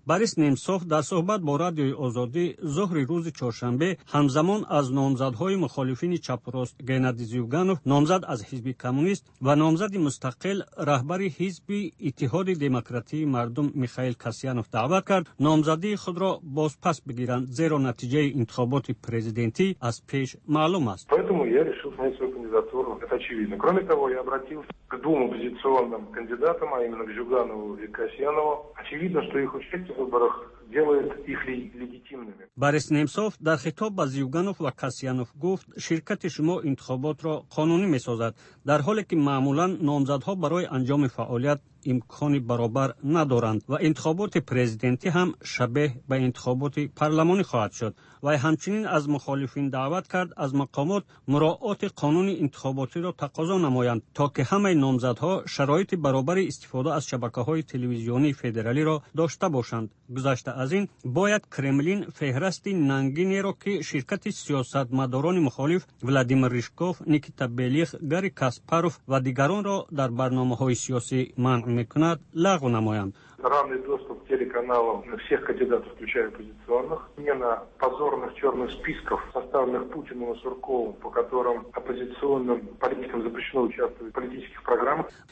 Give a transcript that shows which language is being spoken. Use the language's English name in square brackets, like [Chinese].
[Persian] بوریس نمتسوف در صحبت با رادیوی آزادی ظهر روز چهارشنبه همزمان از نامزدهای مخالفین چپ راست گنادی زیوگانوف، نامزد از حزب کمونیست و نامزد مستقل رهبر حزب اتحاد دموکراتی مردم میخائیل کاسیانوف دعوت کرد نامزدی خود را باز پس بگیرند، زیرا نتیجه انتخابات [Tajik] президенти аз пеш маълум аст. [Russian] Поэтому я решил снять свою кандидатуру. Это очевидно. Кроме того, я обратился к двум оппозиционным кандидатам, а именно к Зюганову и Касьянову. Очевидно, что их участие в выборах делает их легитимными. [Tajik] Борис Немцов дар хитоб ба Зюганов ва Касьянов гуфт, ширкати шумо интихоботро қонунӣ месозад, дар ҳоле ки маъмулан номзадҳо барои анҷоми фаъолият имкони баробар надоранд ва интихоботи президентӣ ҳам шабеҳ ба интихоботи парламонӣ хоҳад шуд. Вай ҳамчунин аз мухолифин даъват кард аз мақомот муроати қонуни интихоботиро тақозо намоянд, то ки ҳамаи номзадҳо шароити баробари истифода аз шабакаҳои телевизионии федералиро дошта бошанд. Гузашта аз ин, бояд Кремлин феҳрасти нангинеро ки ширкати сиёсатмадорони мухолиф Владимир Ришков, Никита Белих, Гари Каспаров ва дигаронро дар барномаҳои сиёсӣ мекунад лағв намоянд. [Russian] Равный доступ к телеканалам всех кандидатов, включая оппозиционных. Смена позорных черных списков, составленных Путиным и Сурковым, по которым оппозиционным политикам запрещено участвовать в политических программах.